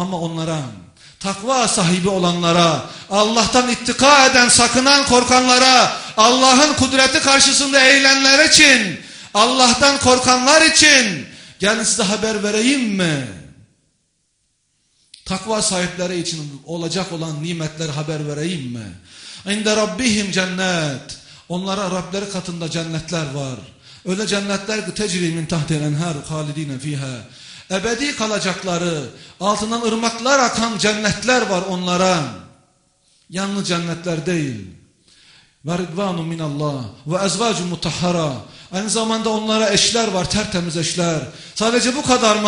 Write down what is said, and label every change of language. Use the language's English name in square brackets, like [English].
[Turkish] Ama onlara, takva sahibi olanlara, Allah'tan ittika eden, sakınan, korkanlara, Allah'ın kudreti karşısında eğilenler için, Allah'tan korkanlar için, gelin size haber vereyim mi? Takva sahipleri için olacak olan nimetleri haber vereyim mi? [Arabic] اِنْدَ رَبِّهِمْ cennet. [Turkish] Onlara Rableri katında cennetler var. Öyle cennetler ki [Arabic] تَجْرِي مِنْ تَحْتِ الْاَنْهَارُ خَالِد۪ينَ ف۪يهَا. [Turkish] Ebedi kalacakları, altından ırmaklar akan cennetler var onlara. Yanlı cennetler değil. [Arabic] Ve rıdvanun minallah ve ezvacun mutahhara. [Turkish] Aynı zamanda onlara eşler var, tertemiz eşler. Sadece bu kadar mı?